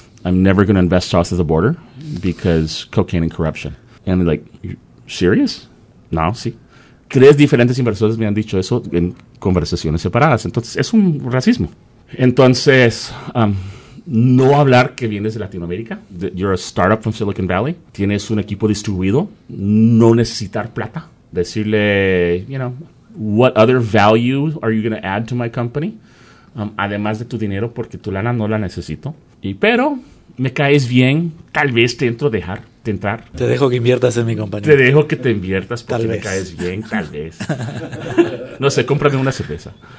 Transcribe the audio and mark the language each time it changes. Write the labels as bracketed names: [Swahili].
[English] I'm never going to invest south of the border because cocaine and corruption. And I'm like, serious? [Spanish] No, sí. 3 diferentes inversores me han dicho eso en conversaciones separadas. Entonces, es un racismo. Entonces, no hablar que vienes de Latinoamérica. [English] You're a startup from Silicon Valley. [Spanish] Tienes un equipo distribuido. No necesitar plata. Decirle, [English] you know, what other value are you going to add to my company? [Spanish] Además de tu dinero, porque tu lana no la necesito. Pero me caes bien. Tal vez te entro a dejar. Entrar. Te dejo que inviertas en mi compañía. Te dejo que te inviertas porque tal vez. Me caes bien, tal vez. No sé, cómprame una cerveza.